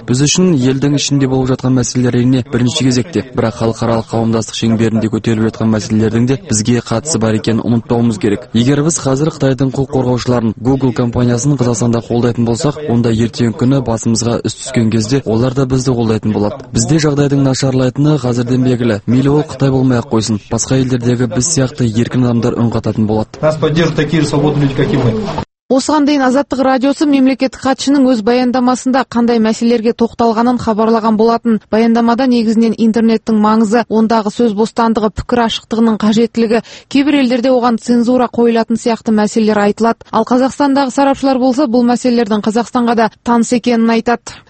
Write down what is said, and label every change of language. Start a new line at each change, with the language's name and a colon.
Kazakh: Біз үшін елдің ішінде болып жатқан мәселелеріне бірінші кезекте, бірақ халықаралық қауымдастық шеңберінде көтеріліп жатқан мәселелердің де бізге қатысы бар екенін ұмытпауымыз керек. Егер біз қазір Қытайдың құқық қорғаушыларын Google компаниясын Қазақстанда қолдайтын болсақ, онда ертең күні басымызға іс түскен кезде олар да бізді қолдайтын болады. Бізде жағдайдың нашарлайтыны қазірден белгілі. Мейлі ол Қытай болмай-ақ қойсын, басқа елдердегі біз сияқты еркін адамдар үн қататын болады.
Russian: Нас поддержат такие же свободные люди, как и мы.
Kazakh: Осыған дейін Азаттық радиосы мемлекеттік хатшының өз баяндамасында қандай мәселелерге тоқталғанын хабарлаған болатын. Баяндамада негізінен интернеттің маңызы, ондағы сөз бостандығы, пікір ашықтығының қажеттілігі, кейбір елдерде оған цензура қойылатын сияқты мәселелер айтылады. Ал Қазақстандағы сарапшылар болса, бұл мәселелердің Қазақстанға да таныс екенін айтады.